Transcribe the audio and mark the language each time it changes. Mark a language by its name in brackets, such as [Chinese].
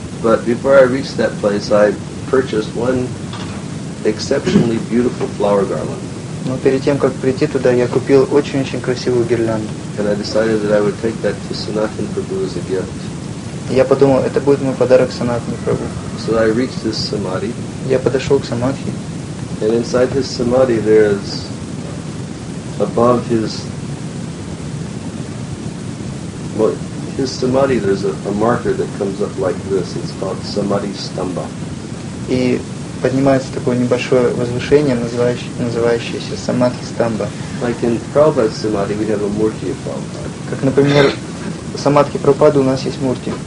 [English] But before I reached that place, I purchased one exceptionally beautiful flower garland. [Russian] Но перед тем, как прийти туда, я купил очень-очень красивую гирлянду. [English] And I decided that I would take that to Sanatana Prabhu as a gift. [Russian] Я подумал, это будет мой подарок Санатане Прабху. [English] So I reached this samadhi. [Russian] Я подошел к самадхи. [English] And inside this samadhi there is above his his samadhi there's a marker that comes up like this. It's called samadhi stamba. [Russian] И поднимается такое небольшое возвышение, называющееся самадхи стамба. [English] Like in Prabhupada's samadhi we have a murti of Prabhupada. [Russian] Как, например, в самадхи Прабхупады у нас есть мурти.